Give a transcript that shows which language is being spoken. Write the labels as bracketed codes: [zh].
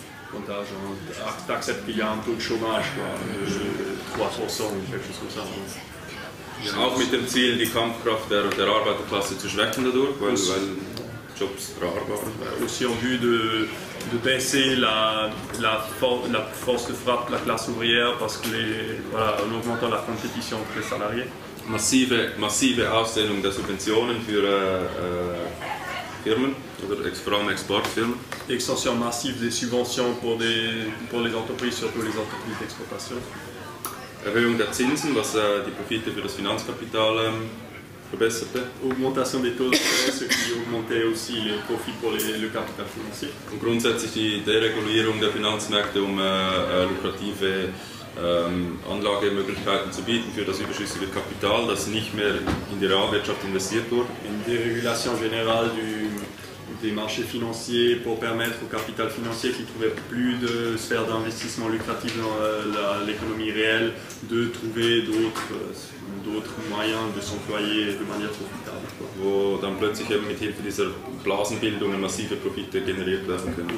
[fr] Comptage, t'acceptes qu'il y a un taux de chômage, quoi, de 3% ou quelque chose comme ça. [de] Auch mit dem Ziel, die Kampfkraft der Arbeiterklasse zu schwächen dadurch, weil Jobs rar waren. [fr] Aussi en vue de baisser la force de frappe de la classe ouvrière, parce que en augmentant la compétition entre les salariés. [de] Massive Ausdehnung der Subventionen für Firmen oder vor allem Exportfirmen. [fr] Extension massive des subventions pour les entreprises, surtout les entreprises d'exportation. [de] Erhöhung der Zinsen, was die Profite für das Finanzkapital verbesserte [fr] Augmentation des taux d'intérêt, qui augmentait aussi le profit pour le capital financier. [de] Und grundsätzlich die Deregulierung der Finanzmärkte, um lukrative Anlagemöglichkeiten zu bieten für das überschüssige Kapital, das nicht mehr in die Realwirtschaft investiert wurde. [fr] Une dérégulation générale des marchés financiers pour permettre au capital financier qui ne trouvait plus de sphère d'investissement lucratif dans l'économie réelle de trouver d'autres moyens de s'employer de manière profitable. [de] Wo dann plötzlich eben mit Hilfe dieser Blasenbildung massive Profite generiert werden können.